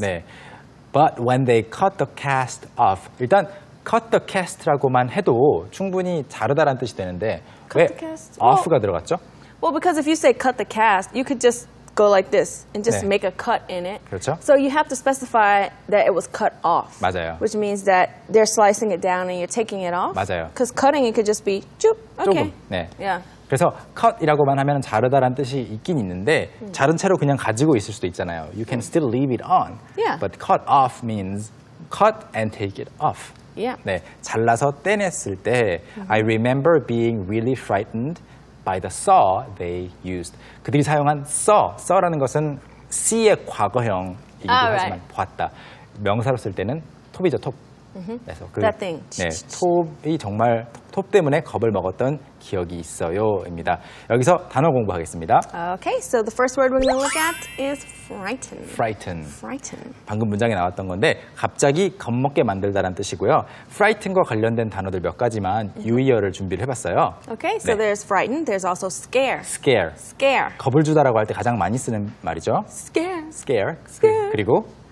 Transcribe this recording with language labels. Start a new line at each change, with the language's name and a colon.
Korean: 네.
English: But when they cut the cast off,
Korean: 일단 cut the cast라고만 해도 충분히 자르다라는 뜻이 되는데
English: cut
Korean: 왜
English: the cast?
Korean: off가 well, 들어갔죠?
English: Well, because if you say cut the cast, you could just go like this and just 네. make a cut in it.
Korean: 그렇죠?
English: So you have to specify that it was cut off.
Korean: 맞아요.
English: Which means that they're slicing it down and you're taking it off.
Korean: 맞아요.
English: Because cutting it could just be 쭉. Okay.
Korean: 조금. 네.
English: Yeah.
Korean: 그래서 cut이라고만 하면 자르다라는 뜻이 있긴 있는데 자른 채로 그냥 가지고 있을 수도 있잖아요.
English: You can still leave it on. Yeah. But cut off means cut and take it off. Yeah. 네,
Korean: 잘라서 떼냈을 때
English: I remember being really frightened by the saw they used.
Korean: 그들이 사용한 saw. saw라는 것은 see의 과거형이기도
English: All
Korean: 하지만
English: right.
Korean: 보았다. 명사로 쓸 때는 톱이죠, 톱.
English: Mm-hmm.
Korean: 그래서 그
English: That thing.
Korean: 네, 톱이 정말 톱 때문에 겁을 먹었던 기억이 있어요입니다. 여기서 단어 공부하겠습니다.
English: Okay, so the first word we're going to look at is frighten. Frighten. Frighten.
Korean: 방금 문장에 나왔던 건데 갑자기 겁먹게 만들다라는 뜻이고요. Frighten과 관련된 단어들 몇 가지만 유의어를 준비를 해봤어요.
English: Okay, so 네. there's frighten. There's also scare. Scare. Scare.
Korean: 겁을 주다라고 할 때 가장 많이 쓰는 말이죠.
English: Scare. Scare. Scare.
Korean: 그리고